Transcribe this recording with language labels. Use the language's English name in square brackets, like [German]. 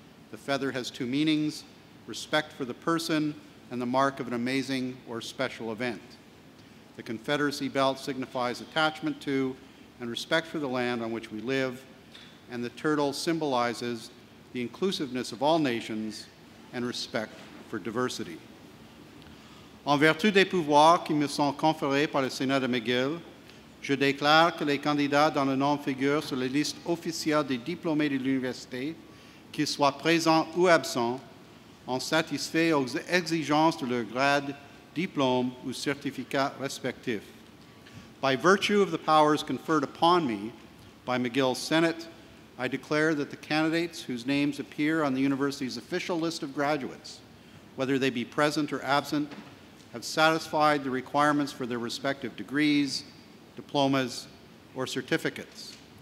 [English] The feather has two meanings: respect for the person and the mark of an amazing or special event. The Confederacy belt signifies attachment to and respect for the land on which we live, and the turtle symbolizes the inclusiveness of all nations and respect for diversity. [French] En vertu des pouvoirs qui me sont conférés par le Sénat de McGill, je déclare que les candidats dont le nom figure sur les listes officielles des diplômés de l'université, qu'ils soient présents ou absents, ont satisfait aux exigences de leur grade, diplôme ou certificat respectif. [English] By virtue of the powers conferred upon me by McGill's Senate, I declare that the candidates whose names appear on the university's official list of graduates, whether they be present or absent, have satisfied the requirements for their respective degrees, diplomas, or certificates.